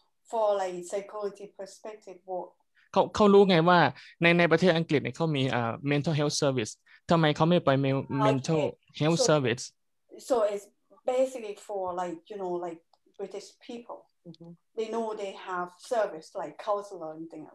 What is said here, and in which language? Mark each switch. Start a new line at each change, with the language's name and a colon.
English: For like psychology perspective, what?
Thai: เขา รู้ไงว่าในประเทศอังกฤษเนี่ยเขามี mental health service. ทำไมเขาไม่ไป mental health service?
English: So it's basically for like you know like British people. Mm-hmm. They know they have service like counselor and thing.